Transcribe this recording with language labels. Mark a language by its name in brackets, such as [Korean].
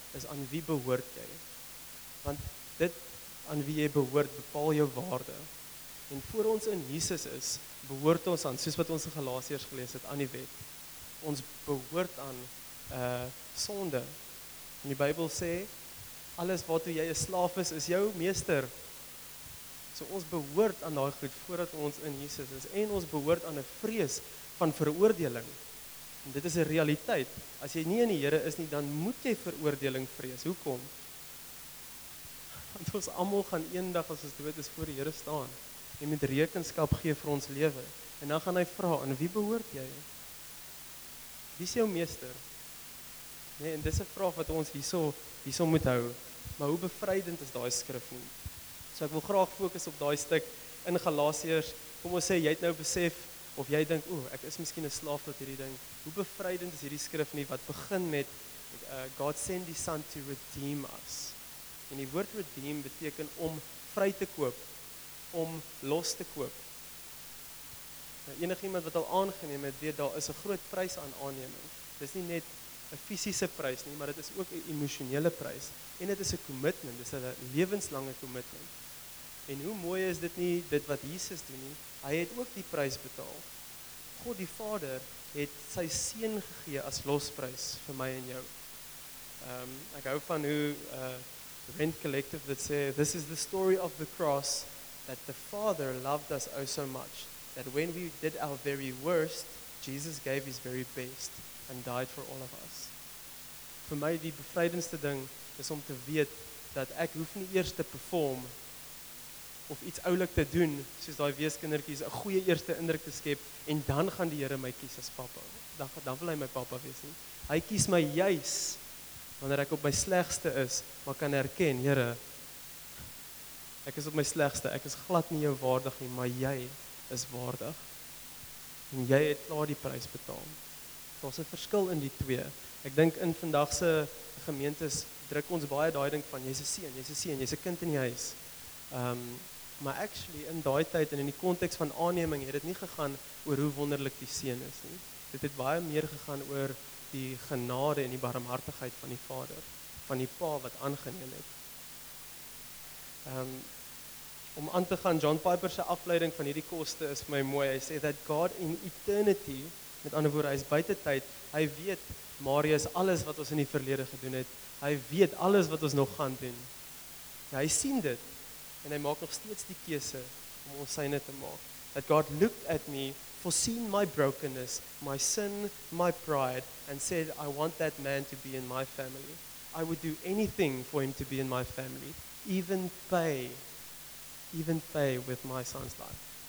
[Afrikaans] is aan wie behoort jy? Want dit aan wie jy behoort bepaal jou waarde. En voor ons in Jesus is, behoort ons aan, soos wat ons in Galasiërs gelees het, aan die wet. Ons behoort aan sonde. En die Bybel sê, alles waartoe jy 'n slaaf is, is jou meester. So ons behoort aan daai goed voordat ons in Jesus is. En ons behoort aan 'n vrees van veroordeling. En dit is 'n realiteit. As jy nie in die Here is nie, dan moet jy veroordeling vrees. Hoekom? Want ons almal gaan eendag as ons dood is voor die Here staan. Hy moet rekenskap gee vir ons lewe. En dan gaan hy vra, aan wie behoort jy? Wie is jou meester? Nee, en dit is 'n vraag wat ons hierso moet hou. Maar hoe bevrydend is daai skrif nie? So ek wil graag fokus op daai stuk in Galasiërs. Kom ons sê, jy het nou besef, of jy dink, oeh, ek is miskien 'n slaaf tot hierdie ding. Hoe bevrydend is hierdie skrif nie, wat begin met, [English] God send his son to redeem us. [Afrikaans] En die woord redeem beteken om vry te koop, om los te koop. Nou, enig iemand wat al aangeneem het, weet, daar is 'n groot prys aan aanneming. Dit is nie net 'n fisiese prys nie, maar dit is ook 'n emosionele prys. En dit is 'n commitment, dit is 'n lewenslange commitment. En hoe mooi is dit nie, dit wat Jesus doen nie, hy het ook die prys betaal. God die Vader het sy seun gegee as losprys vir my en jou. Ek hou van hoe Rent Collective dit sê, [English] this is the story of the cross, that the Father loved us oh so much, that when we did our very worst, Jesus gave his very best and died for all of us. [Afrikaans] Vir my die bevrydendste ding is om te weet dat ek hoef nie eers te perform of iets oulik te doen, soos daai weeskindertjies, 'n goeie eerste indruk te skep, en dan gaan die Here my kies as pappa. Dan wil hy my pappa wees nie. Hy kies my juis, wanneer ek op my slegste is, maar kan erken, Here, ek is op my slegste, ek is glad nie jou waardig nie, maar jy is waardig. En jy het klaar die prys betaal. Daar's 'n verskil in die twee. Ek dink in vandagse gemeentes druk ons baie daai ding van, jy's 'n seun, jy's 'n seun, jy's 'n kind in die huis. Maar actually, in daai tyd en in die konteks van aanneming, het dit nie gegaan oor hoe wonderlik die seun is nie. Dit het baie meer gegaan oor die genade en die barmhartigheid van die Vader, van die Pa wat aangeneem het. Om aan te gaan, John Piper se afleiding van hierdie koste is vir my mooi. Hy sê [English] that God in eternity, [Afrikaans] met ander woorde, hy is buite tyd, hy weet, Marius, alles wat ons in die verlede gedoen het, hy weet alles wat ons nog gaan doen. Ja, hy sien dit, en hy maak nog steeds die keuse om ons syne te maak. [English] That God looked at me, foreseen my brokenness, my sin, my pride, and said, I want that man to be in my family. I would do anything for him to be in my family, even pay with my son's life.